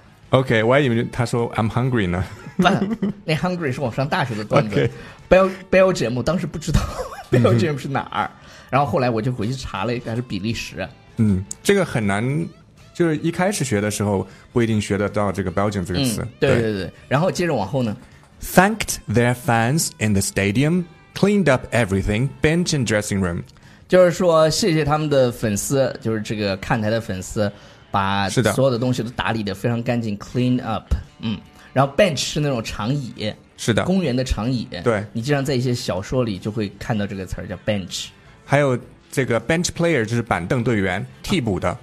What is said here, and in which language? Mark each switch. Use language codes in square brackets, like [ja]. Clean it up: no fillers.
[zh] OK， 我还以为他说 [en] I'm hungry [zh] 呢。那 hungry 是我上大学的段子。Belgium 我当时不知道 Belgium 是哪儿、嗯，然后后来我就回去查了一下，是比利时。嗯，这个很难，就是一开始学的时候不一定学得到这个 Belgium 这个词、嗯。对对 对，对，然后接着往后呢 [en] ？Thanked their fans in the stadium, cleaned up everything, bench and dressing room。 [zh] 就是说，谢谢他们的粉丝，就是这个看台的粉丝，把所有的东西都打理得非常干净 ，clean up。嗯。然后 bench 是那种长椅，是的，公园的长椅。对，你经常在一些小说里就会看到这个词叫 bench。还有这个 bench player 就是板凳队员，替补的。